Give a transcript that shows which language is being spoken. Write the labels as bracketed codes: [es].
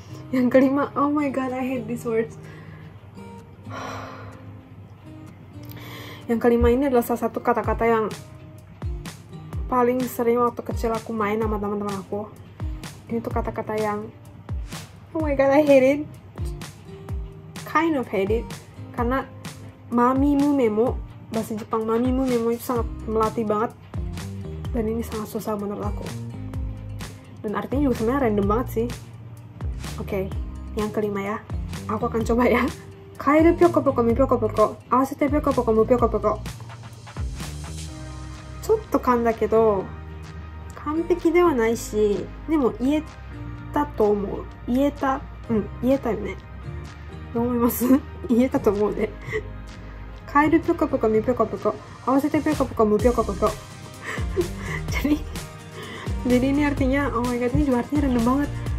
[id] Yang kelima, [en] oh my god, I hate these words. [id] Yang kelima ini adalah salah satu kata-kata yang paling sering waktu kecil aku main sama teman-teman aku. Ini tuh kata-kata yang, [en] oh my god, I hate it. [id] Kind of hate it, karena mami mu memo, bahasa Jepang mami mu memo itu sangat melatih banget, dan ini sangat susah menurut aku, dan artinya juga sebenarnya random banget sih. Oke, okay, yang kelima ya, aku akan coba ya. [ja] Kaeru pyoko pyoko mi pyoko pyoko, awasete pyoko pyoko mu pyoko pyoko. Chotto kan da kedo, kanpeki dewa nai shi, demo ieta to omou, ieta, ieta yo ne. どう思います？言えたと思うね。カエルぴょこぴょこみぴょこぴょこ合わせてぴょこぴょこむぴょこぴょこ。 [id] Jadi ini artinya, [en] oh my god, [id] ini juga artinya random banget.